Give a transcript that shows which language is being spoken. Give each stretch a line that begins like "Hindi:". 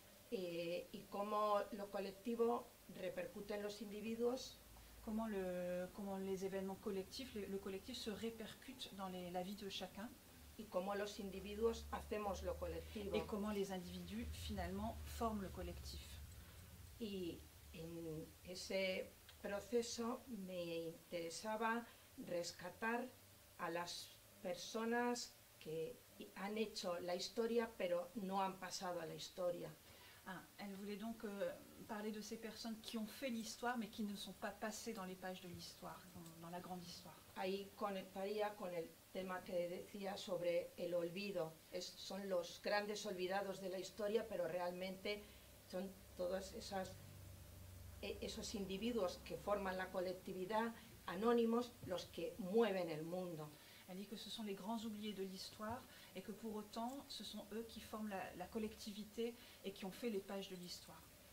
French: Et comment le collectif répercute en
Spanish: los individuos?
French: Comment les événements collectifs, le collectif se répercute dans la vie de chacun? et comment les individus
Spanish: hacemos lo colectivo.
French: Et comment les individus finalement forment le collectif.
Spanish: Et en ese proceso me interesaba rescatar a las personas que han hecho la historia pero no han pasado a la historia.
French: Ah, elle voulait donc parler de ces personnes qui ont fait l'histoire mais qui ne sont pas passées dans les pages de l'histoire, dans la grande histoire.
Spanish: Ahí conectaría con el tema que decía sobre el olvido. Es, son los grandes olvidados de la historia, pero realmente son todas esas esos individuos que forman la colectividad anónimos los que mueven el mundo.
French: Elle dit que ce sont les grands oubliés de l'histoire et que pour autant, ce sont eux qui forment la collectivité et qui ont fait les pages de l'histoire.